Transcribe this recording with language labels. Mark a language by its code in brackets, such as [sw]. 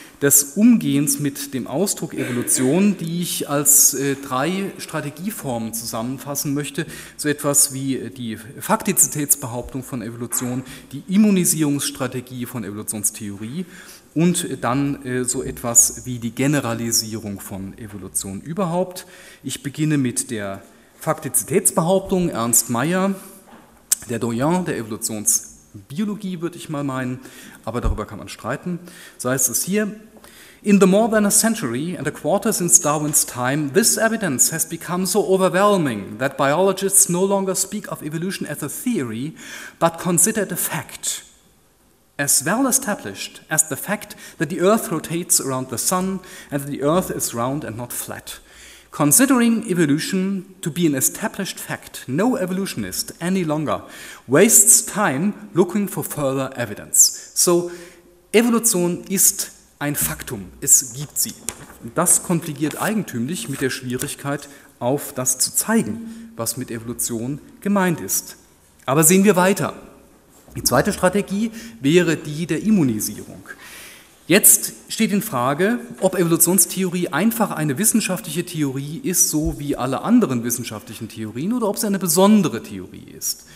[de] des Umgehens mit dem Ausdruck Evolution, die ich als drei Strategieformen zusammenfassen möchte, so etwas wie die Faktizitätsbehauptung von Evolution, die Immunisierungsstrategie von Evolutionstheorie und dann so etwas wie die Generalisierung von Evolution überhaupt. Ich beginne mit der Faktizitätsbehauptung. Ernst Mayr, der Doyen der Evolutionsbiologie, würde ich mal meinen, aber darüber kann man streiten. So heißt es hier: [en] In the more than a century and a quarter since Darwin's time, this evidence has become so overwhelming that biologists no longer speak of evolution as a theory, but consider it a fact. As well established as the fact that the earth rotates around the sun and that the earth is round and not flat. Considering evolution to be an established fact, no evolutionist any longer wastes time looking for further evidence. [de] So, Evolution ist ein Faktum, es gibt sie. Das konfligiert eigentümlich mit der Schwierigkeit, auf das zu zeigen, was mit Evolution gemeint ist. Aber sehen wir weiter. Die zweite Strategie wäre die der Immunisierung. Jetzt steht in Frage, ob Evolutionstheorie einfach eine wissenschaftliche Theorie ist, so wie alle anderen wissenschaftlichen Theorien, oder ob sie eine besondere Theorie ist.